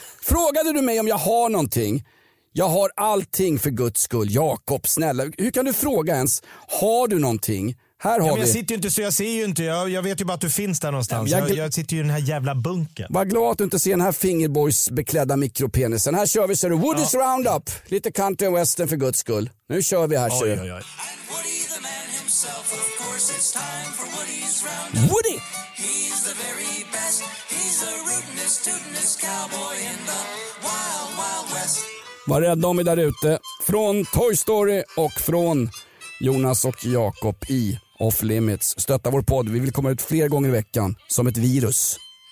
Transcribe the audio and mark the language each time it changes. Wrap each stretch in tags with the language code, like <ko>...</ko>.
<sv>Frågade du mig om jag har någonting? Jag har allting för Guds skull, Jakob, snälla. Hur kan du fråga ens, har du någonting? Här har Jag sitter ju inte så, jag ser ju inte. Jag vet ju bara att du finns där någonstans. Jag sitter ju i den här jävla bunken. Var glad att du inte ser den här fingerboys-beklädda mikropenisen. Här kör vi, så du. Woody's Roundup. Lite country and western för Guds skull. Nu kör vi här, kör vi.</sv> <en>Woody the man himself, of course it's time for Woody's Roundup. Woody! He's the very best. He's the rootinest, tootinest cowboy in the wild, wild west.</en> <sv>Var rädda om er där ute. Från Toy Story och från Jonas och Jakob i Off Limits. Stötta vår podd. Vi vill komma ut fler gånger i veckan som ett virus.</sv>